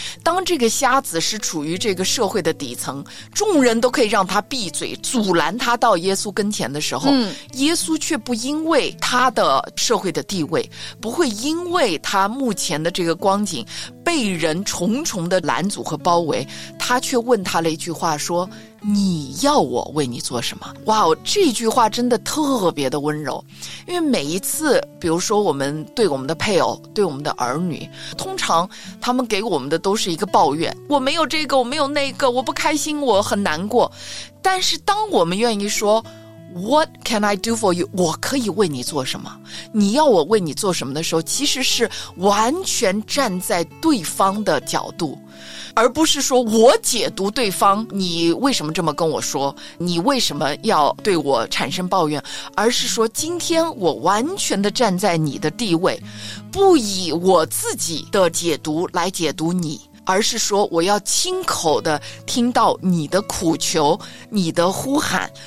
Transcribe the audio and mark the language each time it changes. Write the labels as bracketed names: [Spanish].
[Chinese] 当这个瞎子是处于这个社会的底层，众人都可以让他闭嘴，阻拦他到耶稣跟前的时候，耶稣却不因为他的社会的地位，不会因为他目前的这个光景被人重重的拦阻和包围，他却问他了一句话说，你要我为你做什么？哇，这句话真的特别的温柔。因为每一次比如说我们对我们的配偶，对我们的儿女，通常他们给我们的都是一个抱怨，我没有这个，我没有那个，我不开心，我很难过。但是当我们愿意说 [English] What can I do for you? [Chinese] 我可以为你做什么？你要我为你做什么的时候，其实是完全站在对方的角度，而不是说我解读对方，你为什么这么跟我说，你为什么要对我产生抱怨，而是说今天我完全的站在你的地位，不以我自己的解读来解读你，而是说我要亲口的听到你的苦求，你的呼喊，